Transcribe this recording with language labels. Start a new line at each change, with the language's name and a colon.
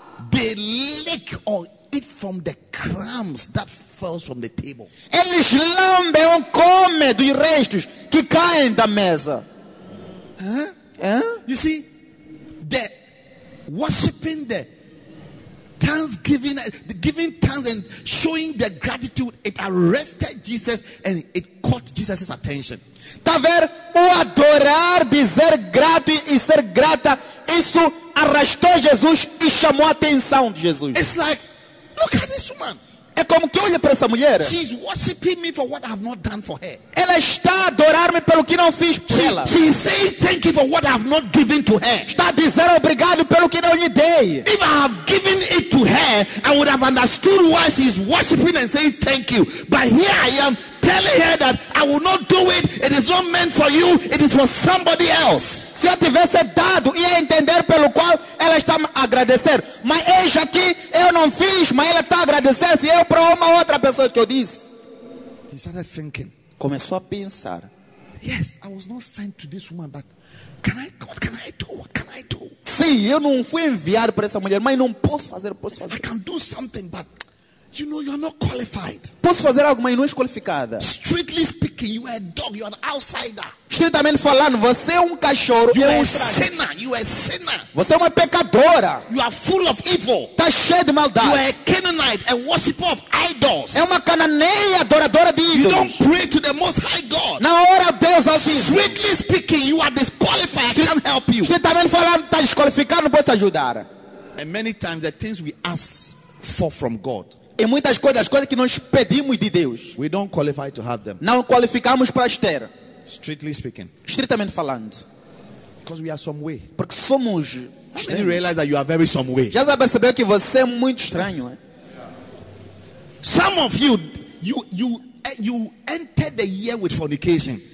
English: They lick or eat from the crumbs that leftovers from the table.
Portuguese: Eles lambem ou comem dos restos que caem da mesa.
English: You see, the worshiping, the thanksgiving, the giving thanks and showing their gratitude, it arrested Jesus and it caught Jesus' attention.
Portuguese: Tá vendo? O adorar, dizer grato e ser grata, isso arrastou Jesus e chamou a atenção de Jesus.
English: It's like, look at this woman.
Portuguese: É como que olha para essa mulher.
English: She's worshiping me for what I've not done for her.
Portuguese: Ela está a adorar-me pelo que não fiz por ela.
English: She says thank you for what I've not given to her.
Portuguese: Está a dizer obrigado pelo que não lhe dei.
English: If I have given it to her, I would have understood why she's worshiping and saying thank you. But here I am telling her that I will not do it. It is not meant for you. It is for somebody else.
Portuguese: Se eu tivesse dado, ia entender pelo qual ela está a agradecer. Mas eis aqui, eu não fiz, mas ela está a agradecer. Se eu para uma outra pessoa que eu disse.
English: He started thinking.
Portuguese: Começou a pensar.
English: Yes, I was not sent to this woman, but what can I do? What can I do?
Portuguese: Sim, eu não fui enviado para essa mulher, mas não posso fazer,
English: I can do something, but you know you're not qualified.
Portuguese: Posso fazer algo, mas não és qualificada.
English: Strictly speaking, you are a dog, you are an outsider.
Portuguese: Estritamente falando, você é um cachorro.
English: You are a sinner. You are a sinner.
Portuguese: Você é uma pecadora.
English: You are full of evil.
Portuguese: Tá cheio de maldade.
English: You are a Canaanite, a worshiper of idols.
Portuguese: É uma cananeia adoradora de ídolos.
English: You don't pray to the Most High God.
Portuguese: Na hora Deus assim.
English: Strictly speaking, you are disqualified. I can't help you.
Portuguese: Estritamente falando, tá desqualificado, não posso te ajudar.
English: And many times the things we ask for from God.
Portuguese: E muitas coisas, as coisas que nós pedimos de Deus.
English: We don't qualify to have them.
Portuguese: Não qualificamos para ter.
English: Strictly speaking.
Portuguese: Estritamente falando.
English: Because we are some way.
Portuguese: Porque somos.
English: Then you realize that you are very some way.
Portuguese: Já percebeu que você é muito estranho, é?
English: Some of you entered the year with fornication.